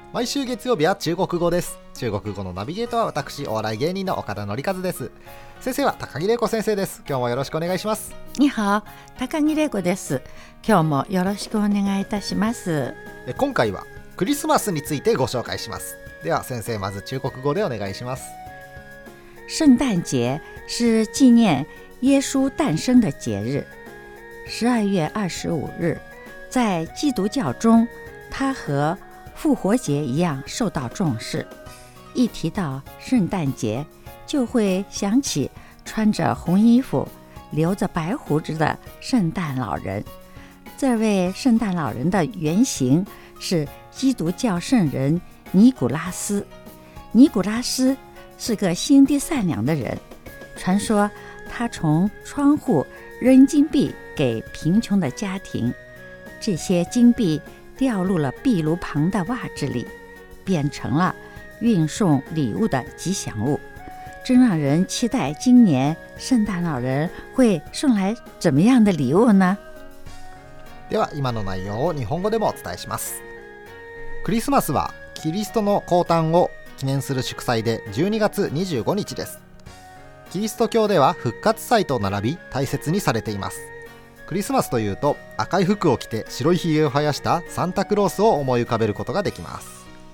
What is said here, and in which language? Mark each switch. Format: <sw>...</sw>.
<ja>毎週月曜日は中国語です。中国語のナビゲートは私、お笑い芸人の岡田紀一です。先生は高木玲子先生です。今日もよろしくお願いします。</ja> <zh>你好、</zh> <ja>高木玲子です。今日もよろしくお願いいたします。今回はクリスマスについてご紹介します。では先生、まず中国語でお願いします。</ja> <zh>圣诞节是纪念耶稣诞生的节日，12月25日，在基督教中，它和复活节一样受到重视。一提到圣诞节，就会想起穿着红衣服、留着白胡子的圣诞老人。这位圣诞老人的原型是基督教圣人尼古拉斯。尼古拉斯是个心地善良的人，传说他从窗户扔金币给贫穷的家庭，这些金币掉入了壁炉旁的袜子里，变成了运送礼物的吉祥物，真让人期待今年圣诞老人会送来怎么样的礼物呢？</zh> <ja>では今の内容を日本語でもお伝えします。クリスマスはキリストの降誕を記念する祝祭で、12月25日です。キリスト教では復活祭と並び大切にされています。クリスマスというと赤い服を着て白いひげを生やしたサンタクロースを思い浮かべることができます。</ja>